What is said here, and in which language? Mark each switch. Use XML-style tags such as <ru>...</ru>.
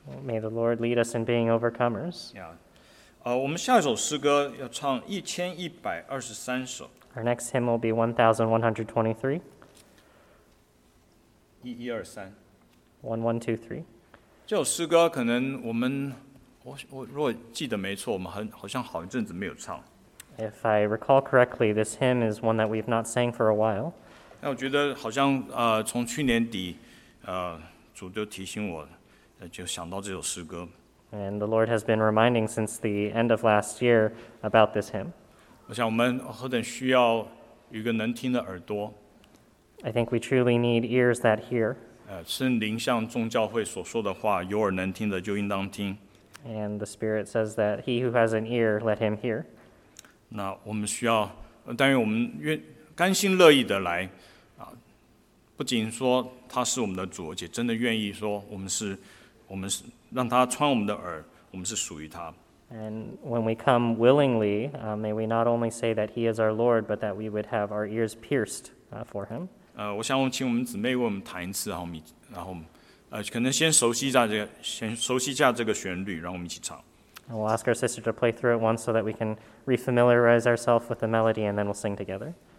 <en>May the Lord lead us in being overcomers. Yeah.</en> <zh>我们下一首诗歌要唱1123首。</zh> <en>Our next hymn will be 1123. 1123. 1123.</en> <zh>这首诗歌可能我们，我如果记得没错，我们好像好一阵子没有唱。</zh> <en>If I recall correctly, this hymn is one that we've not sang for a while.</en> <zh>那我觉得好像从去年底，主就提醒我，就想到这首诗歌。</zh> <en>And the Lord has been reminding since the end of last year about this hymn.</en> <zh>我想我们何等需要有一个能听的耳朵。</zh> <en>I think we truly need ears that hear.</en> <zh>圣灵向众教会所说的话，有耳能听的就应当听。</zh> <en>And the Spirit says that he who has an ear, let him hear.</en> <zh>那我们需要，但愿我们愿甘心乐意的来，不仅说他是我们的主，而且真的愿意说我们是让他穿我们的耳，我们是属于他。</zh> <en>And when we come willingly, may we not only say that he is our Lord, but that we would have our ears pierced for him.</en> <zh>我想请我们姊妹为我们弹一次，然后可能先熟悉一下这个，先熟悉一下这个旋律，让我们一起唱。</zh> <en>And we'll ask our sister to play through it once so that we can refamiliarize ourselves with the melody, and then we'll sing together.</en>